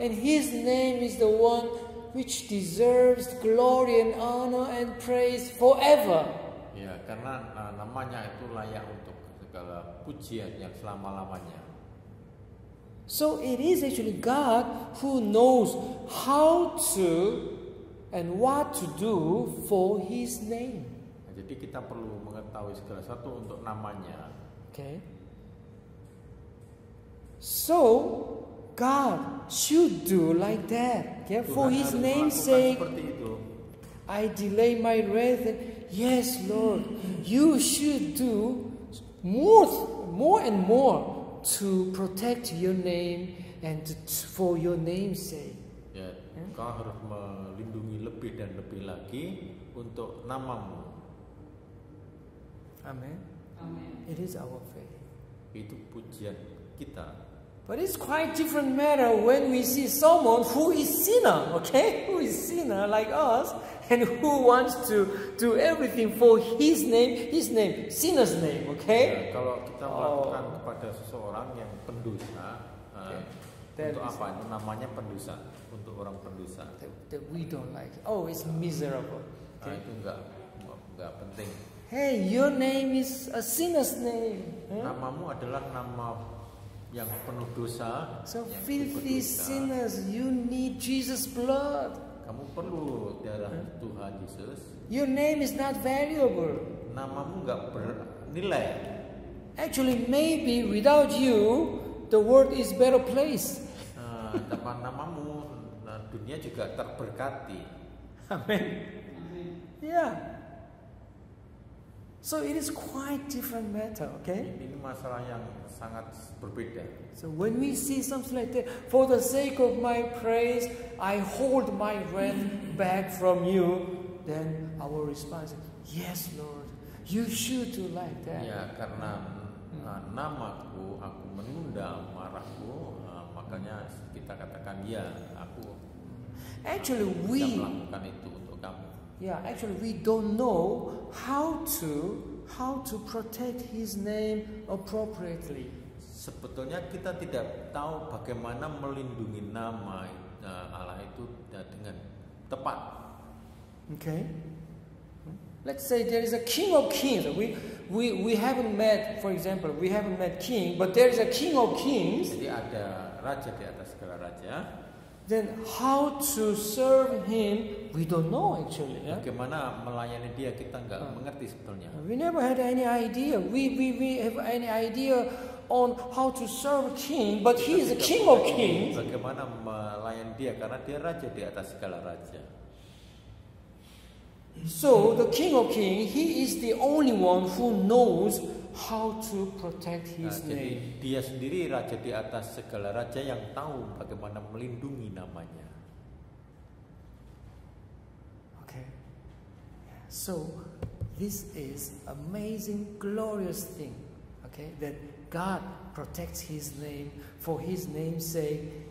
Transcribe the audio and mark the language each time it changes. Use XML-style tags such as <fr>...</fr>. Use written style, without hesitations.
<en>And his name is the one which deserves glory and honor and praise forever.</en> <id>Ya, karena namanya itu layak untuk segala pujian yang selama-lamanya.</id> <en>So it is actually God who knows how to and what to do for his name.</en> <id>Jadi kita perlu mengetahui segala sesuatu untuk namanya.</id> <en>Okay. So God should do like that. Okay? For his name's sake, I delay my wrath. Yes, Lord, you should do more and more to protect your name and for your name's sake. Yeah.</en> <id>Kau harus melindungi lebih dan lebih lagi untuk namamu. Amen. Amen.</id> <en>It is our faith.</en> <id>Itu pujian kita.</id> <en>But it's quite different matter when we see someone who is sinner, okay? Who is sinner like us and who wants to do everything for his name, sinner's name, okay?</en> <id>Yeah, kalau kita melakukan kepada seseorang yang pendosa, untuk apa? Itu namanya pendosa, untuk orang pendosa.</id> <en>That we don't like. Oh, it's miserable.</en> <id>Okay. Itu enggak penting.</id> <en>Hey, your name is a sinner's name. Huh?</en> <id>Namamu adalah nama yang penuh dosa.</id> <en>So filthy sinners, you need Jesus' blood.</en> <id>Kamu perlu darah Tuhan Yesus.</id> <en>Your name is not valuable.</en> <id>Namamu enggak bernilai.</id> <en>Actually, maybe without you, the world is better place.</en> <id>Tanpa namamu, dunia juga terberkati. Amen. Yeah.</id> <en>So it is quite different matter, okay?</en> <id>Ini masalah yang sangat berbeda.</id> <en>So when we see something like that, for the sake of my praise, I hold my wrath back from you, then our response is, yes, Lord, you should do like that.</en> <id>Ya, karena namaku, aku menunda marahku, makanya kita katakan, ya, aku</id> <en>actually, we</en> <id>melakukan itu untuk kamu.</id> <en>Yeah, actually we don't know how to protect his name appropriately.</en> <id>Sebetulnya kita tidak tahu bagaimana melindungi nama Allah itu dengan tepat.</id> <en>Okay. Let's say there is a king of kings. We haven't met, for example, we haven't met king, but there is a king of kings.</en> <id>Jadi ada raja di atas segala raja.</id> <en>Then how to serve him? We don't know actually. Yeah?</en> <id>Bagaimana melayani dia kita enggak mengerti sebetulnya.</id> <en>We never had any idea. We have any idea on how to serve king, but he is a king of kings.</en> <id>Bagaimana melayani dia karena dia raja di atas segala raja.</id> <en>So the king of kings, he is the only one who knows how to protect his name.</en> <id>Jadi dia sendiri raja di atas segala raja yang tahu bagaimana melindungi namanya.</id> <en>Okay. So this is amazing, glorious thing. Okay, that God protects his name for his name's sake.</en>